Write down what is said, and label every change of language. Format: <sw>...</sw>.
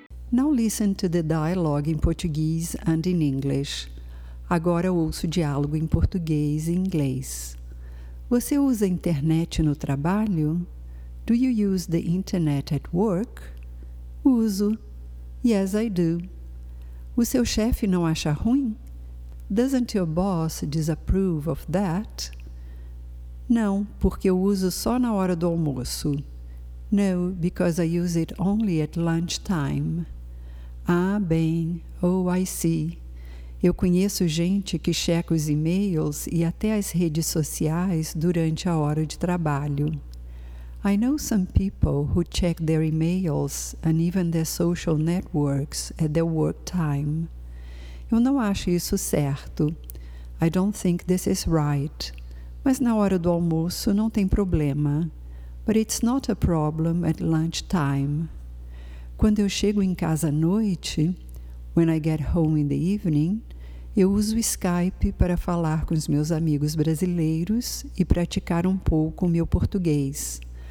<en>Now listen to the dialogue in Portuguese and in English.</en> <pt>Agora ouço o diálogo em português e inglês. Você usa a internet no trabalho?</pt> <en>Do you use the internet at work?</en> <pt>Uso.</pt> <en>Yes, I do.</en> <pt>O seu chefe não acha ruim?</pt> <en>Doesn't your boss disapprove of that?</en> <pt>Não, porque eu uso só na hora do almoço.</pt> <en>No, because I use it only at lunchtime.</en> <pt>Ah, bem.</pt> <en>Oh, I see.</en> <pt>Eu conheço gente que checa os e-mails e até as redes sociais durante a hora de trabalho.</pt> <en>I know some people who check their emails and even their social networks at their work time.</en> <pt>Eu não acho isso certo.</pt> <en>I don't think this is right.</en> <pt>Mas na hora do almoço não tem problema.</pt> <en>But it's not a problem at lunchtime.</en> <pt>Quando eu chego em casa à noite,</pt> <en>when I get home in the evening,</en> <pt>eu uso o Skype para falar com os meus amigos brasileiros e praticar um pouco o meu português.</pt>